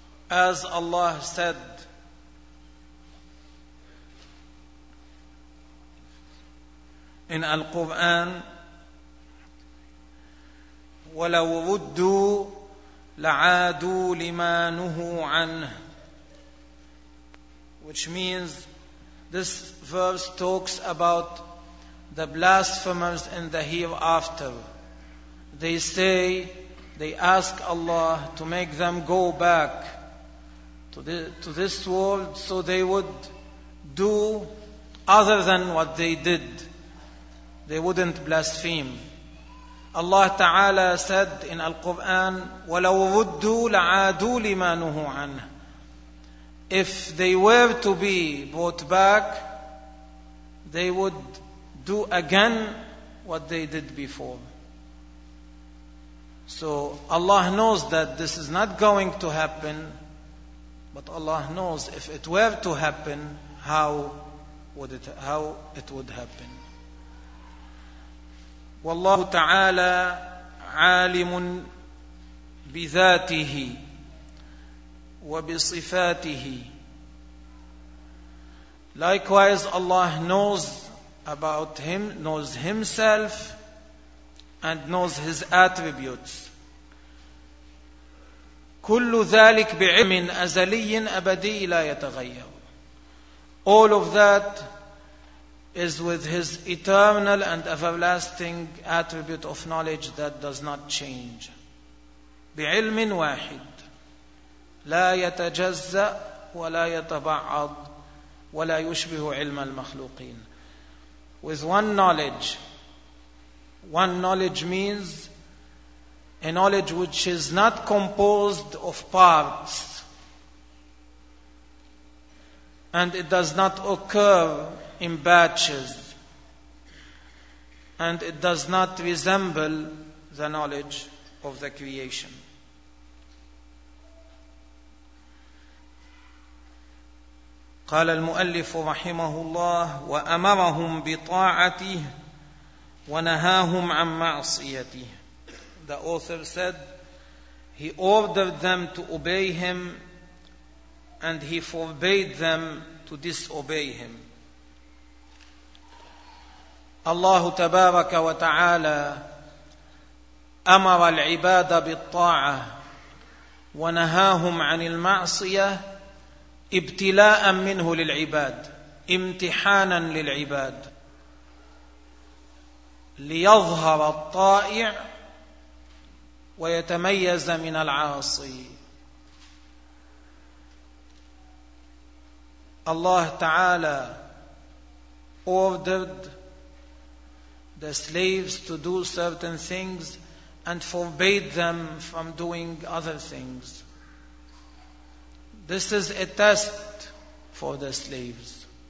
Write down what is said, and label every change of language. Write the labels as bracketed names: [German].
[English] As Allah said, in Al-Qur'an, [Arabic] وَلَوْ رُدُّوا لَعَادُوا لِمَا نُهُوا عَنْهُ, [English] which means this verse talks about the blasphemers in the hereafter. They say, they ask Allah to make them go back to this world so they would do other than what they did. They wouldn't blaspheme. Allah Ta'ala said in Al-Qur'an, [Arabic] وَلَوْ رُدُّوا لَعَادُوا لِمَا نُهُوا عَنْهُ. [English] If they were to be brought back, they would do again what they did before. So Allah knows that this is not going to happen, but Allah knows if it were to happen, how it would happen. [Arabic] والله تعالى عالم بذاته وبصفاته. [English] Likewise, Allah knows about Him, knows Himself, and knows His attributes. [Arabic] كل ذلك بعلم أزلي أبدي لا يتغير. [English] All of that is with His eternal and everlasting attribute of knowledge that does not change. [Arabic] بعلم واحد لا يتجزأ ولا يتبعض ولا يشبه علم المخلوقين. [English] With one knowledge means a knowledge which is not composed of parts and it does not occur in batches, and it does not resemble the knowledge of the creation. [Arabic] قال المؤلف رحمه الله وأمرهم بطاعته ونهاهم عن معصيته. [English] The author said, he ordered them to obey him and he forbade them to disobey him. [Arabic] الله تبارك وتعالى أمر العباد بالطاعة ونهاهم عن المعصية ابتلاء منه للعباد امتحانا للعباد ليظهر الطائع ويتميز من العاصي. [English] الله تعالى ordered the slaves to do certain things and forbade them from doing other things. This is a test for the slaves.